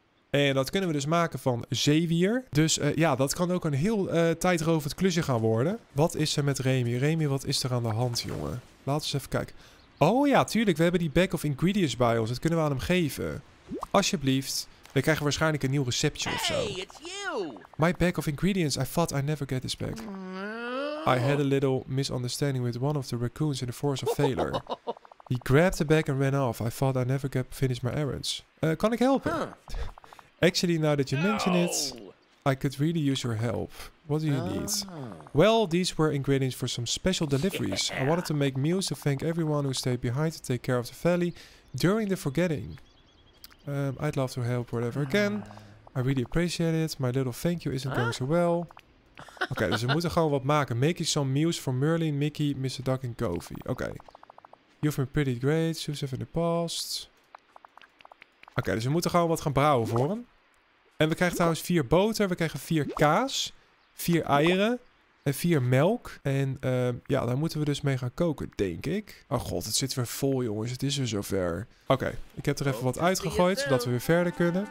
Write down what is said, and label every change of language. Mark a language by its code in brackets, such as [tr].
[nl] En dat kunnen we dus maken van zeewier. Dus ja, dat kan ook een heel tijdrovend klusje gaan worden. Wat is er met Remy? Remy, wat is er aan de hand, jongen? Laten we eens even kijken. Oh ja, tuurlijk. We hebben die bag of ingredients bij ons. Dat kunnen we aan hem geven. Alsjeblieft. We krijgen waarschijnlijk een nieuw receptje of zo. [en] Hey, it's you. My bag of ingredients. I thought I'd never get this bag. No. I had a little misunderstanding with one of the raccoons in the Forest of Failure. He grabbed the bag and ran off. I thought I'd never get finish my errands. [nl] Kan ik helpen? [en] Huh. Actually, now that you mention it, I could really use your help. What do you need? Well, these were ingredients for some special deliveries. Yeah. I wanted to make meals to thank everyone who stayed behind to take care of the valley during the forgetting. I'd love to help whatever again. I really appreciate it. My little thank you isn't going so well. [nl] Oké, dus we moeten gewoon wat maken. [en] Making some meals for Merlin, Mickey, Mr. Duck and Goofy. Oké. You've been pretty great, Joseph in the past. [nl] Oké, dus we moeten gewoon wat gaan brouwen voor hem. En we krijgen trouwens 4 boter, we krijgen 4 kaas, 4 eieren en 4 melk. En ja, daar moeten we dus mee gaan koken, denk ik. Oh god, het zit weer vol, jongens. Het is weer zover. Oké, ik heb er even wat uitgegooid, zodat we weer verder kunnen.